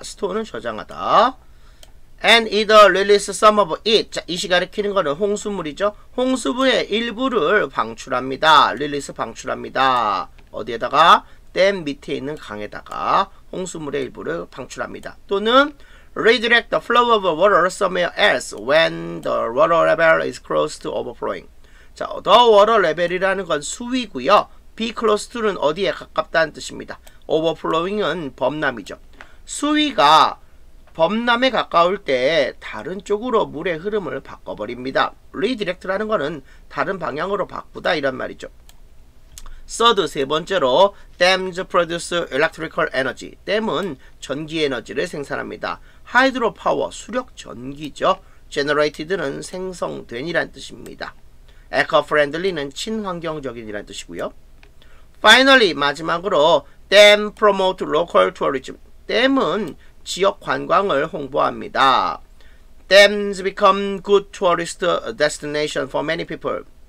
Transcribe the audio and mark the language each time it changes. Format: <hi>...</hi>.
<en>store는</en> <ko>저장하다.</ko> <en>And either release some of it.</en> <ko>자, 이 시간에 키는 거는 홍수물이죠. 홍수물의 일부를 방출합니다. Release 방출합니다. 어디에다가? 댐 밑에 있는 강에다가 홍수물의 일부를 방출합니다. 또는</ko> <en>redirect the flow of water somewhere else when the water level is close to overflowing.</en> <ko>자, the water level이라는 건 수위고요. Be close to는 어디에 가깝다는 뜻입니다. Overflowing은 범람이죠. 수위가 범람에 가까울 때 다른 쪽으로 물의 흐름을 바꿔버립니다. Redirect라는 거는 다른 방향으로 바꾸다 이런 말이죠.</ko> <en>Third,</en> <ko>세 번째로</ko> <en>Dams produce electrical energy.</en> <ko>댐은 전기 에너지를 생산합니다. Hydropower, 수력 전기죠. Generated는 생성된 이란 뜻입니다. Eco-friendly는 친환경적인 이란 뜻이고요.</ko> <en>Finally,</en> <ko>마지막으로</ko> <en>Dam promote local tourism.</en> <ko>댐은 지역 관광을 홍보합니다.</ko> <en>Dams become good tourist destination for many people.</en>